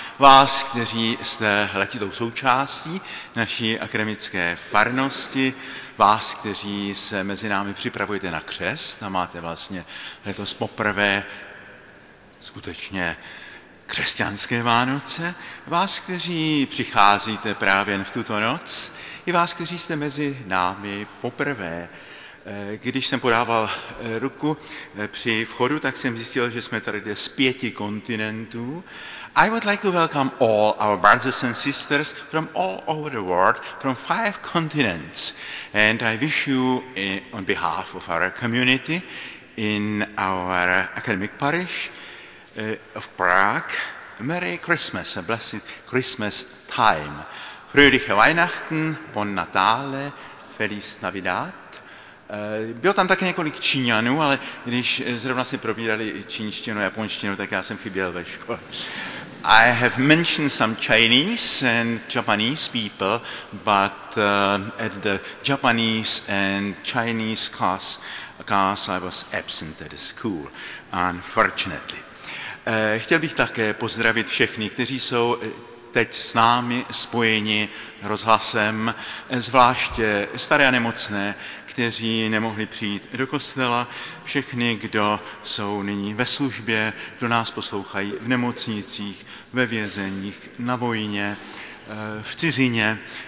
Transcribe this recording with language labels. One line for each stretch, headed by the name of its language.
Czech: Vás, kteří jste letitou součástí naší akademické farnosti, vás, kteří se mezi námi připravujete na křest a máte vlastně letos poprvé skutečně křesťanské Vánoce, vás, kteří přicházíte právě v tuto noc, i vás, kteří jste mezi námi poprvé. Když jsem podával ruku při vchodu, tak jsem zjistil, že jsme tady z 5 kontinentů.
English: I would like to welcome all our brothers and sisters from all over the world, from 5 continents. And I wish you, on behalf of our community, in our academic parish of Prague, Merry Christmas, a blessed Christmas time.
German: Fröhliche Weihnachten,
Italian: Bon Natale,
Spanish: Feliz Navidad.
Czech: Bylo tam také několik Číňanů, ale když zrovna si probírali čínštinu a japonštinu, tak já jsem chyběl ve škole.
English: I have mentioned some Chinese and Japanese people, but at the Japanese and Chinese class I was absent at the school, unfortunately.
Czech: Chtěl bych také pozdravit všechny, kteří jsou teď s námi spojeni rozhlasem, zvláště staré a nemocné, kteří nemohli přijít do kostela, všechny, kdo jsou nyní ve službě, kdo nás poslouchají v nemocnicích, ve vězeních, na vojně, v cizině.